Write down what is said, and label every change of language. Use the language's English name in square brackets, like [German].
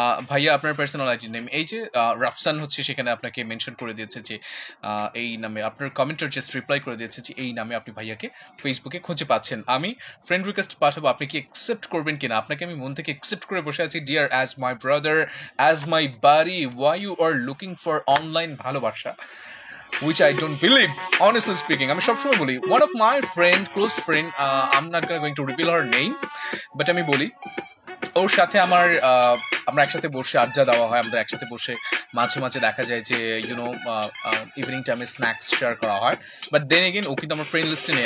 [Bangla] ভাইয়া আপনার personal ID name এই যে রাফসান হচ্ছে, সেখানে আপনাকে মেনশন করে দিয়েছে যে এই নামে আপনার কমেন্টার জাস্ট রিপ্লাই করে দিয়েছে যে এই নামে আপনি ভাইয়াকে ফেসবুকে খুঁজে পাচ্ছেন. আমি ফ্রেন্ড রিকোয়েস্ট পাঠাবো, আপনি কি অ্যাকসেপ্ট করবেন কিনা? আপনাকে আমি মন থেকে অ্যাকসেপ্ট করে বসে আছি, [English] Dear as my brother, as my বাড়ি. Why you are looking for online ভালোবাসা? Which I don't believe, honestly speaking. [Bangla] আমি সবসময় বলি, [English] one of my friend, close friend, I'm not going to reveal her name, but [Bangla] আমি বলি ওর সাথে আমার আমরা একসাথে বসে আড্ডা দেওয়া হয়, আমাদের একসাথে বসে মাঝে মাঝে দেখা যায় যে ইউ নো ইভিনিং টাইমে স্ন্যাক্স শেয়ার করা হয়, বাট দেন এগেন ও কিন্তু আমার ফ্রেন্ড লিস্টে নেই.